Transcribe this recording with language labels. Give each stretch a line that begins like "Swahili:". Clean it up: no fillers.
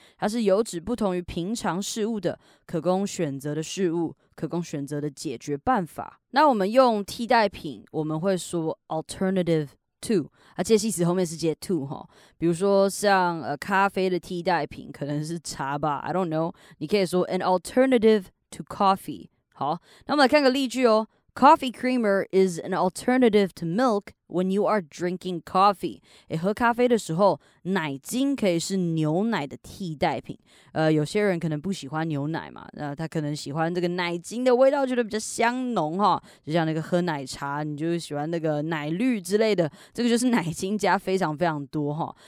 Chinese: 它是有指不同于平常事物的可供选择的事物，可供选择的解决办法。那我们用替代品我们会说 alternative to， 它介系词后面是接 to 齁。比如说像咖啡的替代品可能是茶吧，
English: I don't know，
Chinese: 你可以说
English: an alternative to coffee。
Chinese: 好，那我们来看个例句哦。
English: Coffee creamer is an alternative to milk when you are drinking coffee.
Chinese: 喝咖啡的时候，奶精可以是牛奶的替代品。有些人可能不喜欢牛奶嘛，那他可能喜欢这个奶精的味道，觉得比较香浓哈。就像那个喝奶茶，你就喜欢那个奶绿之类的，这个就是奶精加非常非常多哈。